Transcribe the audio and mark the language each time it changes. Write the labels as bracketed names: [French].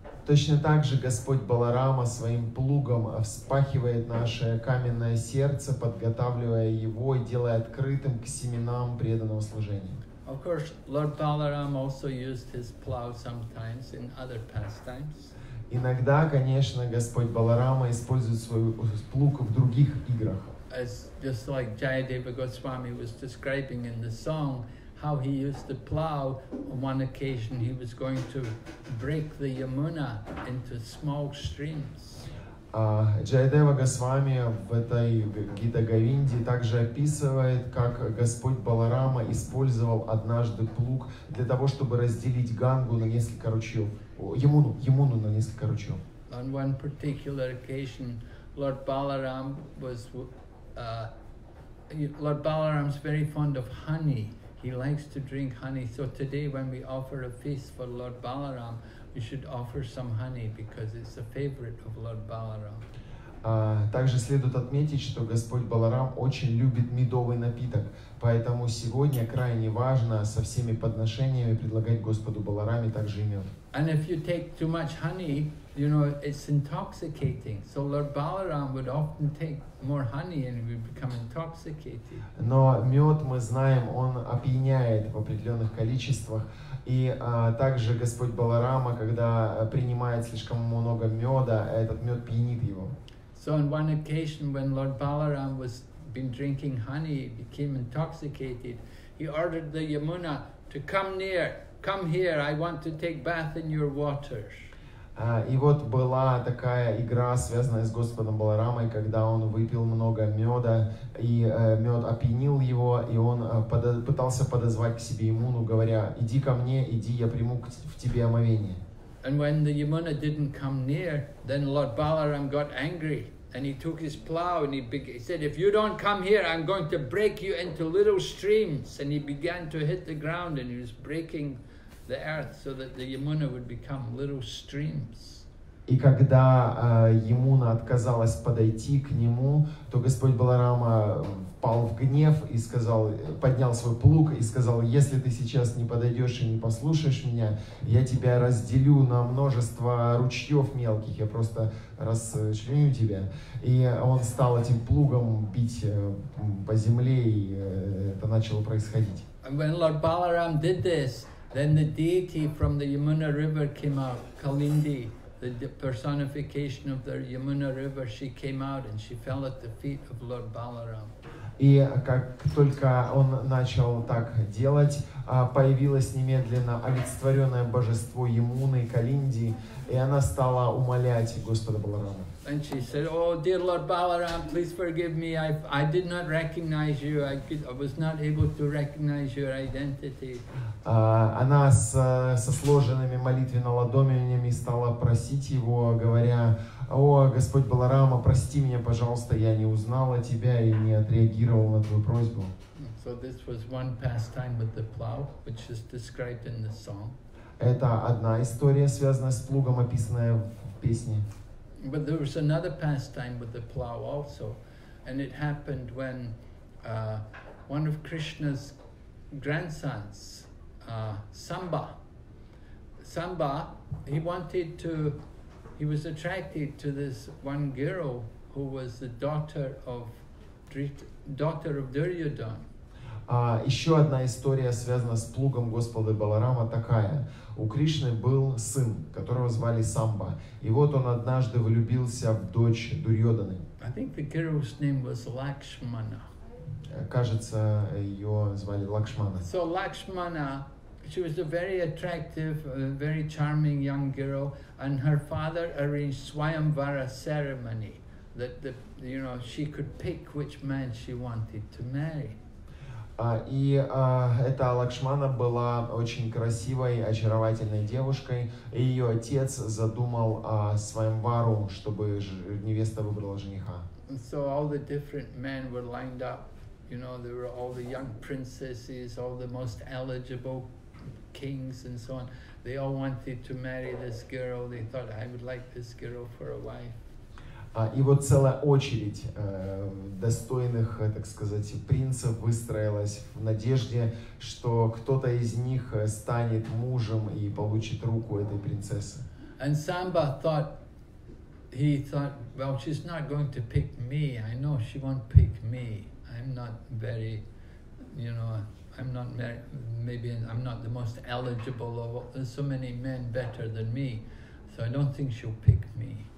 [Russian] Точно так же Господь Баларама своим плугом вспахивает наше каменное сердце, подготавливая его и делая открытым к семенам преданного служения. [English] Of course, Lord Balaram also used his plow sometimes in other pastimes. [Russian] Иногда, конечно, Господь Баларама использует свой плуг в других играх. [English] As just like Jayadeva Goswami was describing in the song, how he used the plow on one occasion, he was going to break the Yamuna into small streams. [Russian] Джайдева Госвами в этой Гита Говинде также описывает, как Господь Баларама использовал однажды плуг для того, чтобы разделить Гангу на несколько ручьев, Ямуну на несколько ручьев. [English] On one particular occasion, Lord Balaram was, Lord Balaram's very fond of honey. He likes to drink honey. So today, when we offer a feast for Lord Balaram, we should offer some honey because it's a favorite of Lord Balaram. [Russian] Также следует отметить, что Господь Баларам очень любит медовый напиток, поэтому сегодня крайне важно со всеми подношениями предлагать Господу Баларами также и мед. [English] And if you take too much honey, you know it's intoxicating. So Lord Balaram would often take more honey and would become intoxicated. [Russian] Но мед, мы знаем, он опьяняет в определенных количествах. И также Господь Баларама, когда принимает слишком много меда, этот мед пьянит его. [English] So on one occasion, when Lord Balaram was been drinking honey, became intoxicated, he ordered the Yamuna to come near, come here, I want to take bath in your waters. [Russian] И вот была такая игра, связанная с Господом Баларамой, когда он выпил много меда, и мед опьянил его, и он пытался подозвать к себе Ямуну, говоря, иди ко мне, иди, я приму в тебе омовение. [English] And when the Yamuna didn't come near, then Lord Balaram got angry, and he took his plow, and he said, if you don't come here, I'm going to break you into little streams. And he began to hit the ground, and he was breaking the earth so that the Yamuna would become little streams. [Russian] И когда Ямуна отказалась подойти к нему, то Господь Баларама впал в гнев и сказал, поднял свой плуг и сказал, если ты сейчас не подойдешь и не послушаешь меня, я тебя разделю на множество ручьев мелких, я просто расчленю тебя. И он стал этим плугом бить по земле, и это начало происходить. [English] When Lord Balaram did this, then the deity from the Yamuna River came out, Kalindi, the personification of the Yamuna River, she came out and she fell at the feet of Lord Balaram. [Russian] И как только он начал так делать, появилось немедленно олицетворенное божество Ямуны, Калинди, и она стала умолять Господа Баларама. [English] And she said, oh, dear Lord Balaram, please forgive me. I did not recognize you. I was not able to recognize your identity. [Russian] Она со сложенными молитвенными ладонями стала просить его, говоря, о, Господь Баларама, прости меня, пожалуйста, я не узнала тебя и не отреагировал на твою просьбу. [English] So this was one pastime with the plow, which is described in the song. [Russian] Это одна история, связанная с плугом, описанная в песне. [English] But there was another pastime with the plow also, and it happened when one of Krishna's grandsons, Samba, he was attracted to this one girl who was the daughter of Duryodhan. [Russian] Еще одна история, связана с плугом Господа Баларама, такая. У Кришны был сын, которого звали Самба. И вот он однажды влюбился в дочь Дурьодханы. [English] I think the girl's name was Lakshmana. [Russian] Кажется, ее звали Лакшмана. [English] So Lakshmana, she was a very attractive, very charming young girl, and her father arranged Swayamvara ceremony that the, you know, she could pick which man she wanted to marry. [Russian] Эта Лакшмана была очень красивой, очаровательной девушкой, и ее отец задумал свайамвару, чтобы невеста выбрала жениха. [English] So all the different men were lined up, you know, there were all the young princesses, all the most eligible kings and so on. They all wanted to marry this girl. They thought, I would like this girl for a wife. [Russian] И вот целая очередь достойных, так сказать, принцев выстроилась в надежде, что кто-то из них станет мужем и получит руку этой принцессы. [English] And Samba thought, well, she's not going to pick me. I know she won't pick me. I'm not very, you know, I'm not maybe I'm not the most eligible of all. There's so many men better than me, so I don't think she'll pick me.